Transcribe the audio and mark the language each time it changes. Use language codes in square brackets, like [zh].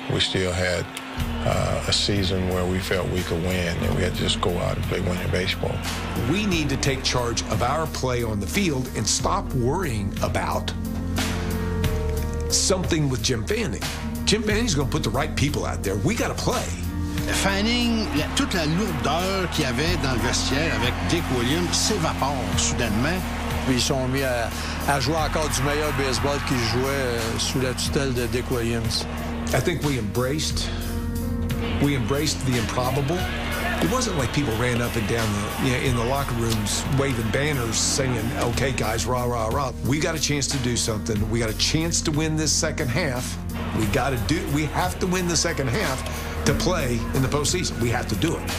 [en] We still had a season where we felt we could win, and we had to just go out and play winning baseball. We need to take charge of our play on the field and stop worrying about something with Jim Fanning. Jim Fanning's gonna put the right people out there. We gotta play. [fr] Fanning, toute la lourdeur qu'il y avait dans le vestiaire avec Dick Williams s'évapore soudainement. Puis ils sont mis à jouer encore du meilleur baseball qu'ils jouaient sous la tutelle de Dick Williams. [en] I think we embraced the improbable. It wasn't like people ran up and down in the locker rooms waving banners saying, okay, guys, rah, rah, rah. We got a chance to do something. We got a chance to win this second half. We have to win the second half to play in the postseason. We have to do it.